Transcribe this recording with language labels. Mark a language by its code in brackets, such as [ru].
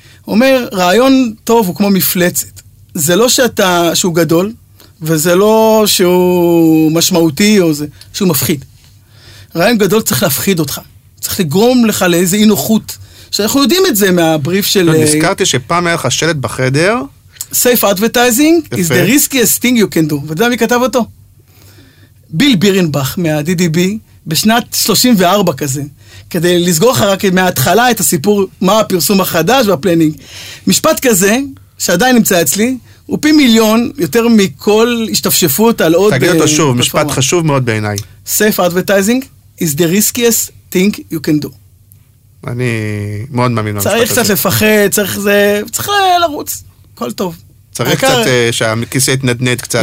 [he] הוא אומר, רעיון טוב הוא כמו מפלצת. זה לא שהוא גדול, וזה לא שהוא משמעותי או זה, שהוא מפחיד. רעיון גדול צריך להפחיד אותך. צריך לגרום לך לאיזה אינוחות. שאנחנו יודעים את זה מהבריף של... נזכרתי שפעם היה לך שלט בחדר. [en] Safe advertising is the riskiest thing you can do. [he] ואתה יודע מי כתב אותו? ביל בירנבך מה-DDB, בשנת 34 כזה. כדי לסגור לך רק מההתחלה את הסיפור מה הפרסום החדש והפלנינג. משפט כזה, שעדיין נמצא אצלי, הוא פי מיליון יותר מכל השתפשפות על עוד... תגיד אותו שוב, משפט חשוב מאוד בעיניי. [en] Safe advertising is the riskiest thing you can do. [he] אני מאוד מאמין במשפט הזה. צריך קצת לפחד, צריך לרוץ. כל טוב. צריך קצת שהכיסא יתנדנד קצת.